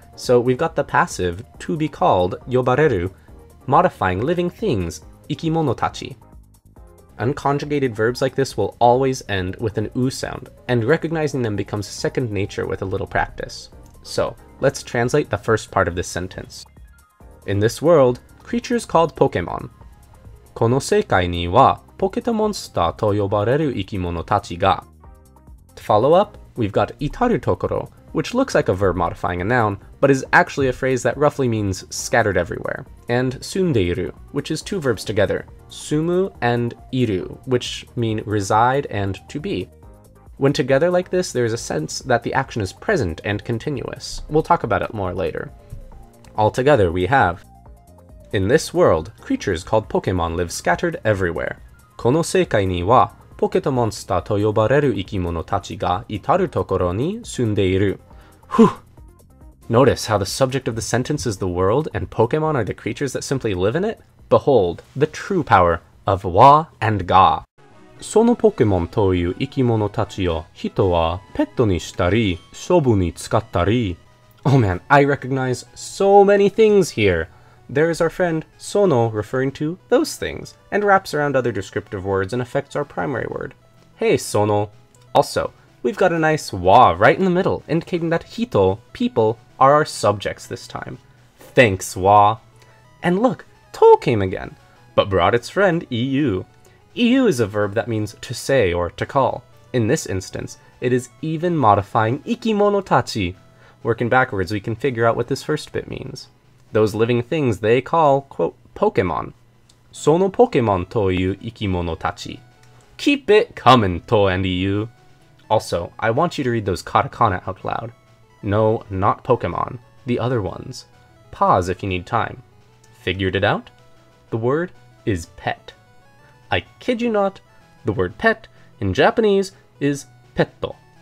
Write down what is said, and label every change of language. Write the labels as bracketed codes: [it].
[en] So we've got the passive, to be called, yobareru, modifying living things, ikimono tachi. Unconjugated verbs like this will always end with an u sound, and recognizing them becomes second nature with a little practice. So, let's translate the first part of this sentence. In this world, creatures called Pokemon. [ja] この世界にはポケットモンスターと呼ばれる生き物たちが。 [en] To follow up, we've got itaru tokoro, which looks like a verb modifying a noun, but is actually a phrase that roughly means scattered everywhere, and sundeiru, which is two verbs together, sumu and iru, which mean reside and to be. When together like this, there is a sense that the action is present and continuous. We'll talk about it more later. Altogether, we have, in this world, creatures called Pokemon live scattered everywhere. [ja] この世界にはポケットモンスターと呼ばれる生き物たちが至るところに住んでいる。 [en] Whew! Notice how the subject of the sentence is the world and Pokemon are the creatures that simply live in it? Behold, the true power of wa and ga. [ja] そのポケモンという生き物たちを人はペットにしたり、処分に使ったり。 [en] Oh man, I recognize so many things here. There is our friend sono referring to those things, and wraps around other descriptive words and affects our primary word. Hey, sono. Also, we've got a nice wa right in the middle, indicating that hito, people, are our subjects this time. Thanks, wa. And look, to came again, but brought its friend iu. Iu is a verb that means to say or to call. In this instance, it is even modifying ikimono tachi. Working backwards, we can figure out what this first bit means. Those living things they call, quote, Pokemon. [ja] そのポケモンという生き物たち。 [en] Keep it coming, To and Iu. Also, I want you to read those katakana out loud. No, not Pokemon. The other ones. Pause if you need time. Figured it out? The word is pet. I kid you not, the word pet in Japanese is petto.